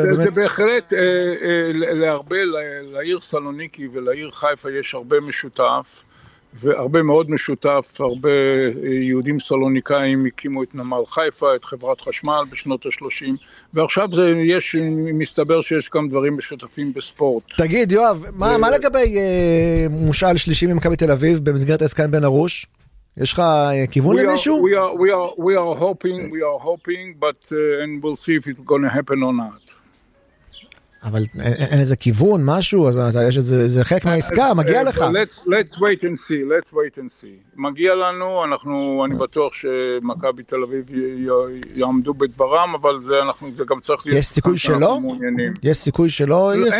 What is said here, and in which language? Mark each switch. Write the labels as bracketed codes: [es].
[he] זה, באמת זה בהחלט, להרבה, לעיר סלוניקי ולעיר חיפה יש הרבה משותף, והרבה מאוד משותף, הרבה יהודים סלוניקאים הקימו את נמל חיפה, את חברת חשמל בשנות ה-30, ועכשיו זה יש, מסתבר שיש כמה דברים משותפים בספורט. תגיד, יואב, מה לגבי מושאל שלישי ממכבי תל אביב במסגרת עסקן בן ארוש? יש לך כיוון למישהו? [en] We are hoping, but and we'll see if it's going to happen or not. [he] אבל אין איזה כיוון, משהו, יש איזה חלק מהעסקה, מגיע לך. [en] Let's wait and see. [he] מגיע לנו, אני בטוח שמכבי תל אביב יעמדו בדברם, אבל זה גם צריך להיות. יש סיכוי שלא? יש סיכוי שלא?